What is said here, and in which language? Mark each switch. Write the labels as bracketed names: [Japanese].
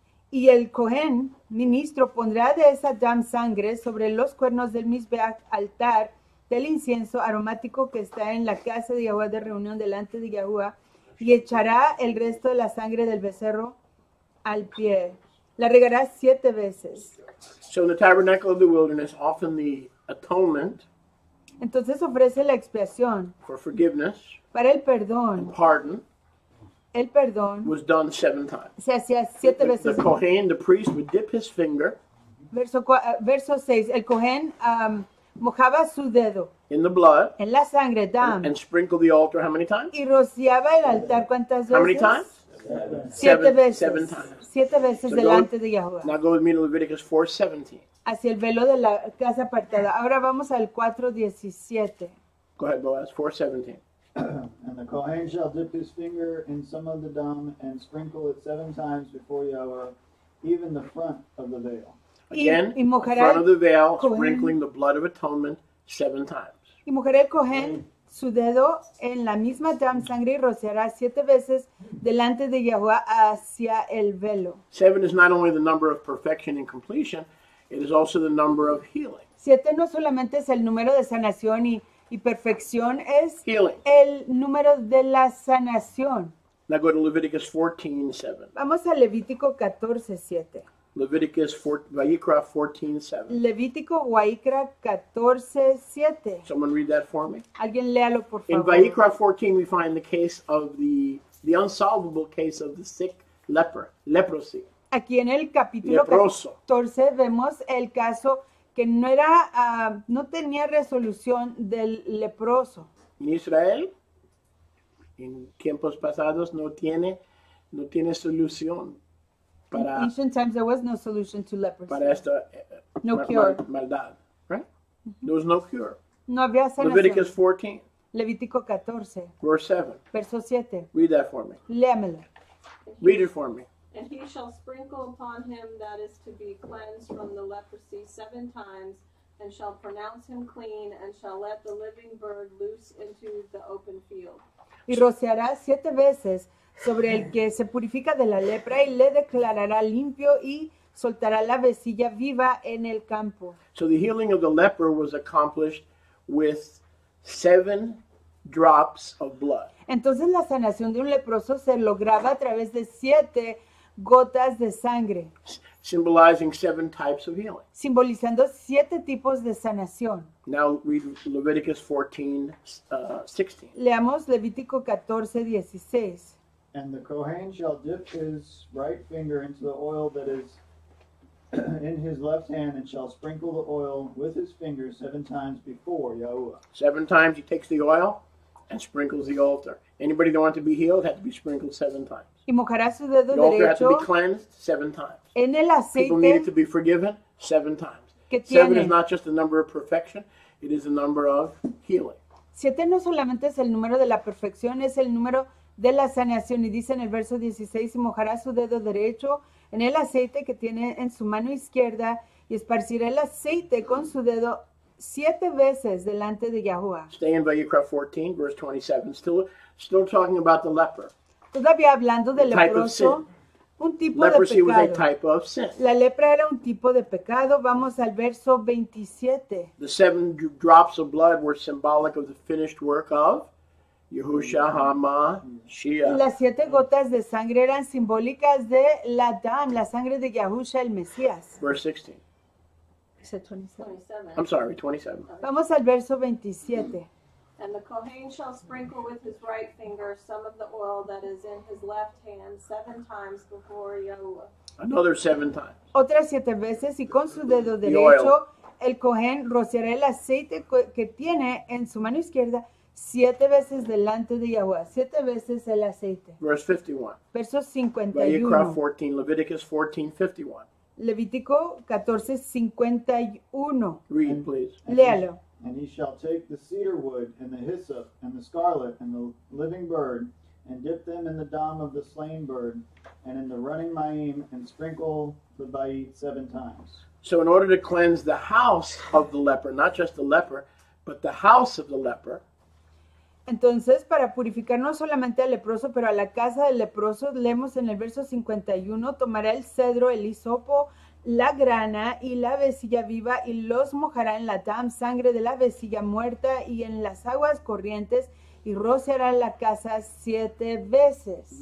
[Spanish] Y el Kohen, ministro, pondrá de esa dam sangre sobre los cuernos del Mizbeach altar del incienso aromático que está en la casa de Yahweh de reunión delante de Yahweh y echará el resto de la sangre del becerro al pie. La regará siete veces. [English] So in the tabernacle of the wilderness, often the atonement. [Spanish] Entonces ofrece la expiación. [English] For forgiveness. [Spanish] Para el perdón. [English] And pardon. [Spanish] El perdón. [English] Was done seven times. [Spanish] Se hacía siete veces. [English] The Kohen, the priest, would dip his finger. [Spanish] Verso 6. El Kohen... mojaba su dedo [English] in the blood, [Spanish] en la sangre, dam, [English] and sprinkled the altar how many times? [Spanish] Y rociaba el altar cuántas veces? [English] How many times? [Spanish] Siete veces [English] so [Spanish] delante [English] go, [Spanish] de Yahweh. [English] Now go with me to Leviticus 4:17. [Spanish] Hacia el velo de la casa apartada. Ahora vamos al 4:17. [English] Go ahead, Boaz. 4:17. And the Kohen shall dip his finger in some of the dam and sprinkle it seven times before Yahweh, even the front of the veil. Again, in front of the veil, sprinkling the blood of atonement seven times. [Spanish] Y mojará el Kohen su dedo en la misma dam sangre y rociará siete veces delante de Yahweh hacia el velo. [English] Seven is not only the number of perfection and completion, it is also the number of healing. [Spanish] Siete no solamente es el número de sanación y perfección, es [English] healing. [Spanish] El número de la sanación. [English] Now go to Leviticus 14:7. [Spanish] Vamos a Levítico 14:7. [English] Leviticus 14:7. [Spanish] Levítico Guaicra 14:7. [English] Someone read that for me. [Spanish] Alguien léalo por favor. [English] In Guaicra 14 we find the case of the unsolvable case of the sick leper, leprosy. [Spanish] Aquí en el capítulo leproso. 14 vemos el caso que no era no tenía resolución del leproso. En Israel en tiempos pasados no tiene solución. [English] In ancient times, there was no solution to leprosy. [Spanish] Para esta, [English] no cure. Maldad, right? Mm-hmm. There was no cure. [Spanish] No había sanación. [English] Leviticus 14. [Spanish] Levítico 14. [English] Verse 7. [Spanish] Verso 7. [English] Read that for me. [Spanish] Léamelo. [English] Read it for me. And he shall sprinkle upon him that is to be cleansed from the leprosy seven times, and shall pronounce him clean, and shall let the living bird loose into the open field. [Spanish] Y rociará siete veces sobre el que se purifica de la lepra y le declarará limpio y soltará la vecilla viva en el campo. [English] So the healing of the leper was accomplished with seven drops of blood. [Spanish] Entonces la sanación de un leproso se lograba a través de siete gotas de sangre. [English] Symbolizing seven types of healing. [Spanish] Simbolizando siete tipos de sanación. [English] Now read Leviticus 14:16. [Spanish] Leamos Levítico 14:16. [English] And the Kohen shall dip his right finger into the oil that is in his left hand and shall sprinkle the oil with his finger seven times before Yahuwah. Seven times he takes the oil and sprinkles the altar. Anybody that wanted to be healed had to be sprinkled seven times. [Spanish] Y mojará su dedo [English] the altar [Spanish] derecho [English] had to be cleansed seven times. [Spanish] En el aceite. [English] People needed to be forgiven seven times. [Spanish] Que tiene. [English] Seven is not just a number of perfection, it is a number of healing. [Spanish] Siete no solamente es el número de la perfección, es el número de la sanación, y dice en el verso 16, y mojará su dedo derecho en el aceite que tiene en su mano izquierda, y esparcirá el aceite con su dedo siete veces delante de Yahuwah. [English] Stay in Vayikra 14, verse 27, still talking about the leper. [Spanish] Todavía hablando del leproso, un tipo [English] leprosy [Spanish] de pecado. [English] Leprosy was a type of sin. [Spanish] La lepra era un tipo de pecado. Vamos al verso 27. [English] The seven drops of blood were symbolic of the finished work of Yehusha HaMashiach. [Spanish] Y las siete gotas de sangre eran simbólicas de la Dam, la sangre de Yahusha, el Mesías. [English] Verse 16. 27. I'm sorry, 27. [Spanish] Vamos al verso 27. [English] And the Kohen shall sprinkle with his right finger some of the oil that is in his left hand seven times before Yahuwah. Another seven times. [Spanish] Otras siete veces, y con su dedo derecho, el Kohen rociará el aceite que tiene en su mano izquierda siete veces delante de Yahuwah. Siete veces el aceite. [English] Verse 51. [Spanish] Verso 51. [English] Vayikra 14, Leviticus 14, 51. [Spanish] Levítico 14:51. [English] Read, please. [Spanish] Léalo. [English] And he shall take the cedar wood and the hyssop and the scarlet and the living bird and dip them in the dam of the slain bird and in the running maim and sprinkle the bayit seven times. So in order to cleanse the house of the leper, not just the leper, but the house of the leper. [Spanish] Entonces, para purificar no solamente al leproso, pero a la casa del leproso, leemos en el verso 51, tomará el cedro, el hisopo, la grana y la vecilla viva y los mojará en la tam, sangre de la vecilla muerta y en las aguas corrientes y rociará la casa siete veces.